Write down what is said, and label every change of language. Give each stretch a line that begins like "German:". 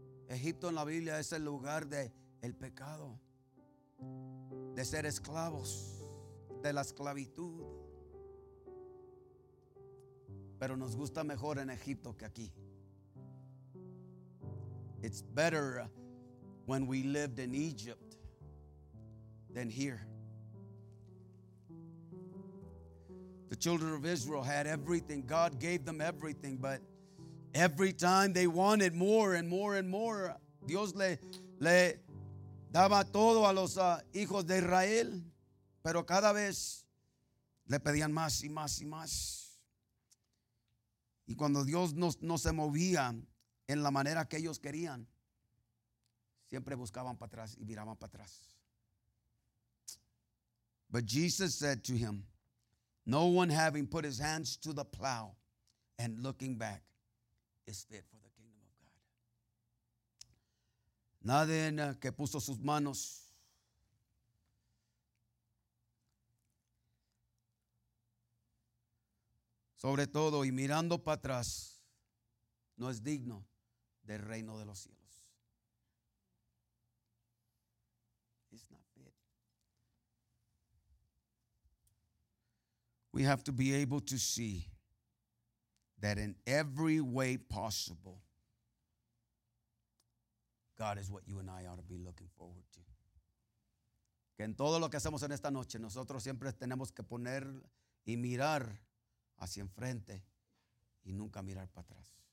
Spanish: Egipto en la Biblia es el lugar de el pecado, de ser esclavos, de la esclavitud. Pero nos gusta mejor en Egipto que aquí.
English: It's better when we lived in Egypt than here. The children of Israel had everything. God gave them everything, but every time they wanted more and more and more.
Spanish: Dios le daba todo a los hijos de Israel, pero cada vez le pedían más y más y más. Y cuando Dios no se movía en la manera que ellos querían, siempre buscaban para atrás y miraban para atrás.
English: But Jesus said to him, no one having put his hands to the plow and looking back is fit for the kingdom of God.
Spanish: Nadie que puso sus manos sobre todo y mirando para atrás no es digno del reino de los cielos.
English: It's not fit. We have to be able to see that in every way possible, God is what you and I ought to be looking forward to.
Spanish: que en todo lo que hacemos en esta noche, nosotros siempre tenemos que poner y mirar hacia enfrente y nunca mirar para atrás.